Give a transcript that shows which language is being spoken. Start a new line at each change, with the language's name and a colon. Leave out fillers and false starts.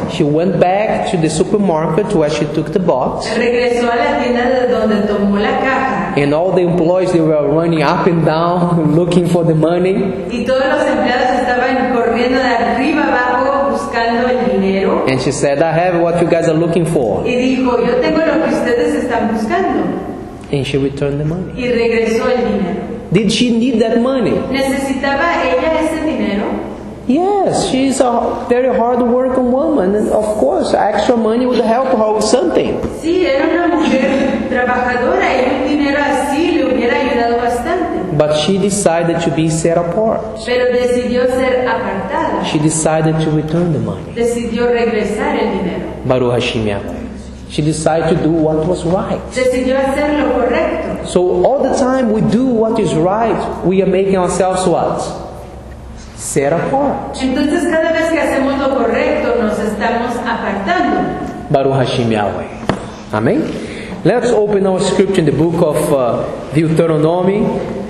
English: She went back to the supermarket where she took the box.
Spanish: Regresó a la tienda de donde tomó la caja.
English: And all the employees, they were running up and down looking for the money.
Spanish: Y todos los empleados estaban corriendo de arriba abajo buscando el dinero.
English: And she said, I have what you guys are looking for.
Spanish: Y dijo, yo tengo lo que ustedes están buscando.
English: And she returned the money.
Spanish: Y regresó el dinero.
English: Did she need that money?
Spanish: ¿Necesitaba ella ese dinero?
English: Yes, she's a very hard-working woman, and of course, extra money would help her with something.
Spanish: Sí, era una mujer trabajadora, y un dinero así le hubiera ayudado bastante.
English: But she decided to be set apart.
Spanish: Pero decidió ser apartada.
English: She decided to return the money.
Spanish: Decidió regresar el dinero.
Hebrew: Baruch Hashem Yahweh.
English: She decided to do what was right.
Spanish: Decidió hacer lo correcto.
English: So all the time we do what is right, we are making ourselves what? Set apart.
Spanish: Entonces cada vez que hacemos lo correcto nos estamos apartando.
Hebrew: Baruch Hashem Yahweh. Amen.
English: Let's open our scripture in the book of Deuteronomy.